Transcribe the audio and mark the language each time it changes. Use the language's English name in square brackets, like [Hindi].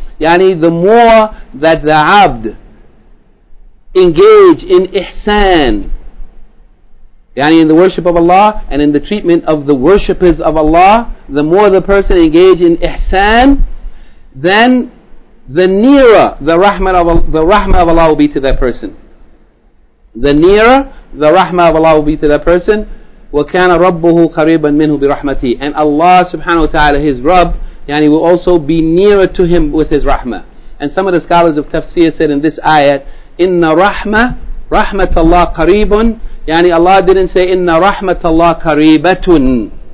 [English] Yani the more that the abd engage in ihsan, yani in the worship of Allah and in the treatment of the worshippers of Allah, the more the person engage in ihsan, then the nearer the rahmah of Allah will be to that person. The nearer the rahmah of Allah will be to that person. [Arabic] وَكَانَ رَبُّهُ قَرِيبًا مِنْهُ بِرَحْمَتِهِ. [English] And Allah subhanahu wa ta'ala, His Rabb, yani will also be nearer to Him with His rahmah. And some of the scholars of tafsir said in this ayat, [Arabic] إِنَّ رَحْمَةَ اللَّهِ قَرِيبٌ, [English] Yani Allah didn't say inna rahmatullah karibatun.